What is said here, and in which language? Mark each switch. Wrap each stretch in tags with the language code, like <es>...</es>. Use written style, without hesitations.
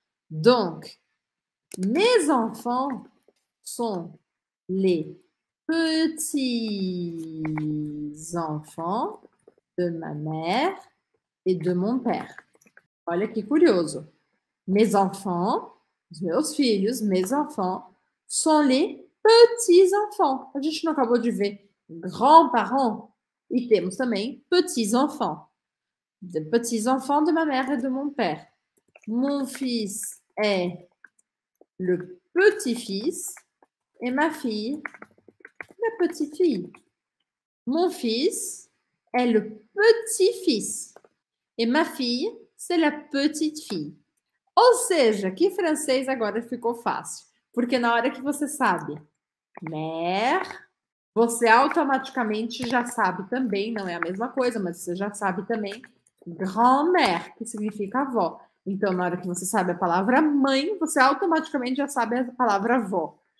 <fr>Donc, mes enfants sont les petits-enfants de ma mère et de mon père.</fr> <pt>Olha que curioso. Mes enfants, meus filhos,</pt> <fr>mes enfants, sont les petits-enfants.</fr> <pt>A gente não acabou de ver grands-parents e temos também petits-enfants.</pt> <fr>De petits-enfants de ma mère et de mon père. Mon fils est le petit-fils et ma fille, la petite-fille. Mon fils est le petit-fils et ma fille, c'est la petite-fille.</fr> <pt>Ou seja, que francês agora ficou fácil? Porque na hora que você sabe mère, você automaticamente já sabe também, não é a mesma coisa, mas você já sabe também grand-mère, que significa avó. Então, na hora que você sabe a palavra mãe, você automaticamente já sabe a palavra avó.</pt>